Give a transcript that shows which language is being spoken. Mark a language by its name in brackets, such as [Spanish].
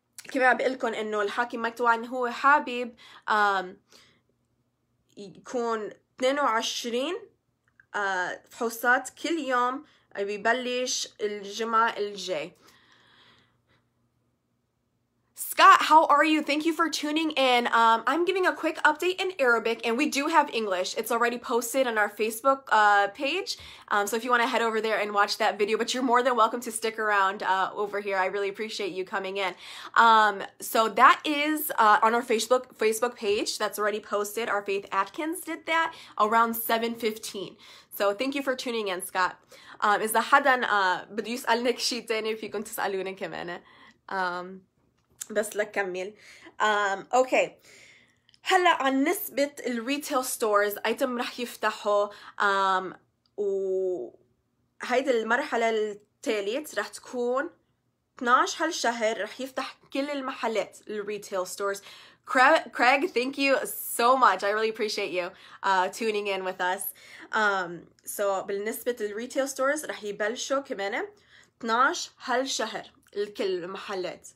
[Arabic] كمان بقولكم إنه الحاكم مايك توان هو حابب يكون 22 فحوصات كل يوم بيبلش الجمعة الجاي [English] Scott, how are you? Thank you for tuning in. I'm giving a quick update in Arabic, and we do have English. It's already posted on our Facebook page, so if you want to head over there and watch that video, but you're more than welcome to stick around over here. I really appreciate you coming in. So that is on our Facebook page. That's already posted. Our Faith Atkins did that around 7:15. So thank you for tuning in, Scott. Is the hadan [Arabic] بدي يسألنك شيء تاني في كنت تسألوني كمان. بس لكمل اوكي هلا عن نسبة الريتيل ستورز ايتم رح يفتحوا و هيدي المرحلة الثالث رح تكون 12 هالشهر رح يفتح كل المحلات الريتيل ستورز. [English] Craig, thank you so much. I really appreciate you tuning in with us. [Arabic] So بالنسبة للريتيل ستورز رح يبلشوا كمان 12 هالشهر لكل المحلات.